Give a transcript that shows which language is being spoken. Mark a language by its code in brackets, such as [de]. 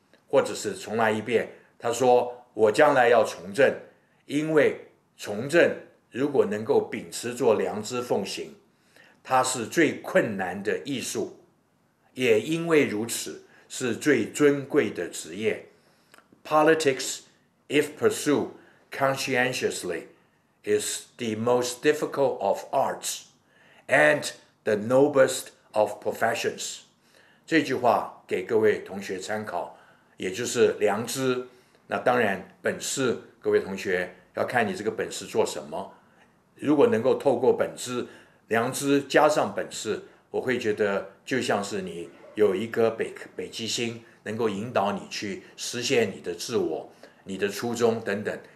[zh] 或者是重来一遍，他说我将来要从政，因为从政如果能够秉持做良知奉行，它是最困难的艺术，也因为如此是最尊贵的职业。 [en] Politics if pursued conscientiously is the most difficult of arts and the noblest of professions。 [zh] 这句话给各位同学参考，也就是良知，那当然本事，各位同学要看你这个本事做什么。如果能够透过本事，良知加上本事，我会觉得就像是你有一颗 北极星能够引导你去实现你的自我、你的初衷等等。